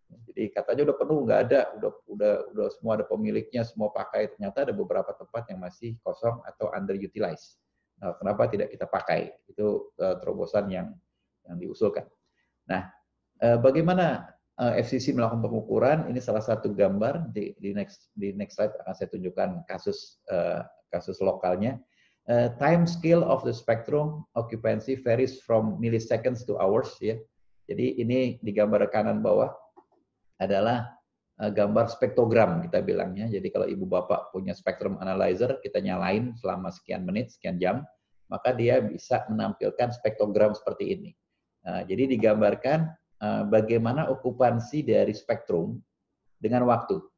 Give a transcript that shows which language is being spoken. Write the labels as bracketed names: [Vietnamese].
[Indonesian] Jadi katanya udah penuh, nggak ada, udah semua ada pemiliknya, semua pakai, ternyata ada beberapa tempat yang masih kosong atau underutilized. Nah, kenapa tidak kita pakai? Itu terobosan yang diusulkan. Nah, bagaimana FCC melakukan pengukuran? Ini salah satu gambar di [English] next slide [Indonesian] akan saya tunjukkan kasus lokalnya. [English] Time scale of the spectrum occupancy varies from milliseconds to hours. [Indonesian] Ya. Jadi ini di gambar kanan bawah adalah gambar spektrogram kita bilangnya. Jadi kalau ibu bapak punya spectrum analyzer, kita nyalain selama sekian menit, sekian jam, maka dia bisa menampilkan spektrogram seperti ini. Jadi digambarkan bagaimana okupansi dari spektrum dengan waktu.